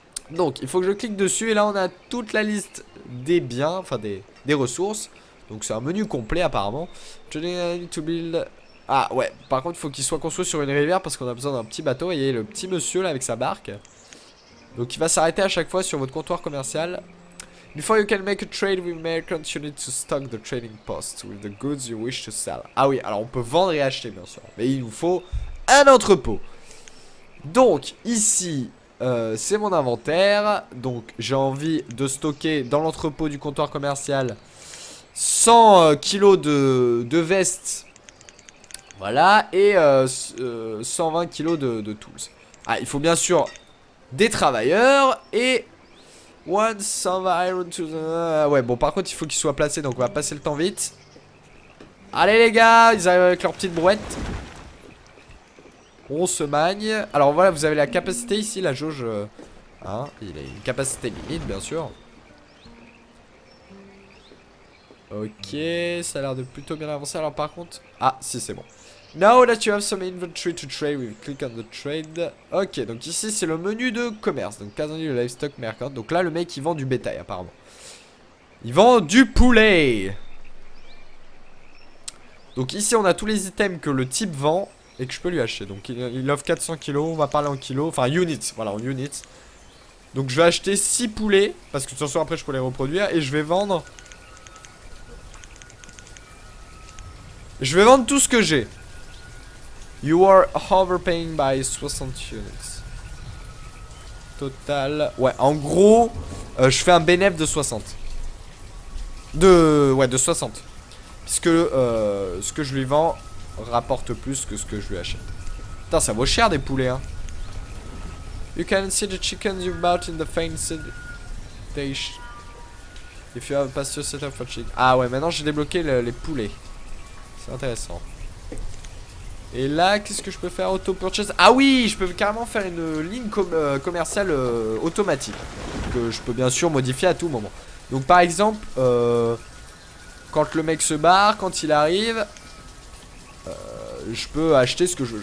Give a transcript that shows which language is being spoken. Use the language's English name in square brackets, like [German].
[French] Donc, il faut que je clique dessus et là, on a toute la liste des biens, enfin des ressources. Donc, c'est un menu complet apparemment. Trading to build... Ah ouais, par contre il faut qu'il soit construit sur une rivière parce qu'on a besoin d'un petit bateau. Et il y a le petit monsieur là avec sa barque. Donc il va s'arrêter à chaque fois sur votre comptoir commercial. [English] Before you can make a trade with merchants, you need to stock the trading post with the goods you wish to sell. [French] Ah oui, alors on peut vendre et acheter bien sûr, mais il nous faut un entrepôt. Donc ici c'est mon inventaire. Donc j'ai envie de stocker dans l'entrepôt du comptoir commercial 100 kilos de vestes. Voilà, et 120 kilos de tools. Ah, il faut bien sûr des travailleurs et... [English] One, some iron to the... [French] Ouais, bon, par contre, il faut qu'ils soient placés, donc on va passer le temps vite. Allez, les gars, ils arrivent avec leur petite brouette. On se magne. Alors, voilà, vous avez la capacité ici, la jauge... Hein, il a une capacité limite, bien sûr. Ok, ça a l'air de plutôt bien avancer. Alors par contre, ah si c'est bon. [English] Now that you have some inventory to trade, we click on the trade. [French] Ok, donc ici c'est le menu de commerce. Donc casanier, le livestock mercant. Donc là le mec il vend du bétail apparemment. Il vend du poulet. Donc ici on a tous les items que le type vend et que je peux lui acheter. Donc il offre 400 kilos, on va parler en kilos. Enfin units, voilà en units. Donc je vais acheter 6 poulets parce que ce soir après je peux les reproduire. Et je vais vendre. Je vais vendre tout ce que j'ai. [English] You are overpaying by 60 units. Total. [French] Ouais, en gros, je fais un bénéf de 60. De 60. Puisque ce que je lui vends rapporte plus que ce que je lui achète. Putain, ça vaut cher des poulets, hein. [English] You can see the chickens you bought in the fenced station. If you have a pasture set up for chicken. [French] Ah ouais, maintenant j'ai débloqué les poulets. C'est intéressant. Et là, qu'est-ce que je peux faire auto-purchase? Ah oui, je peux carrément faire une ligne commerciale automatique. Que je peux bien sûr modifier à tout moment. Donc par exemple, quand le mec se barre, quand il arrive, je peux acheter ce que je veux.